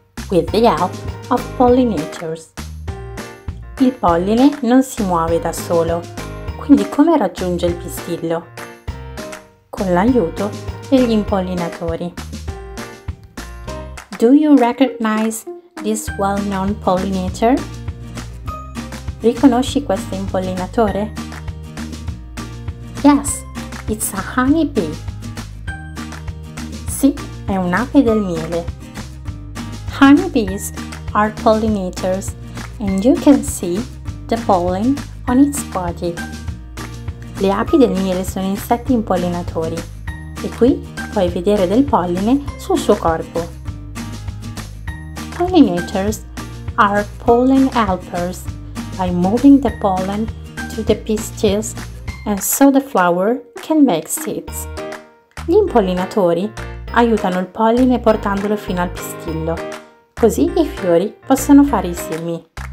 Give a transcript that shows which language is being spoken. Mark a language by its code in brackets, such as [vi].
[en] With the help of pollinators. [it] Il polline non si muove da solo, quindi come raggiunge il pistillo? Con l'aiuto degli impollinatori. [en] Do you recognize this well-known pollinator? [it] Riconosci questo impollinatore? [en] Yes, it's a honeybee. [it] Sì, è un'ape del miele. [en] Honeybees are pollinators, and you can see the pollen on its body. [it] Le api del miele sono insetti impollinatori e qui puoi vedere del polline sul suo corpo. [en] Pollinators are pollen helpers. By moving the pollen to the pistils and so the flower can make seeds. [it] Gli impollinatori aiutano il polline portandolo fino al pistillo, così i fiori possono fare i semi.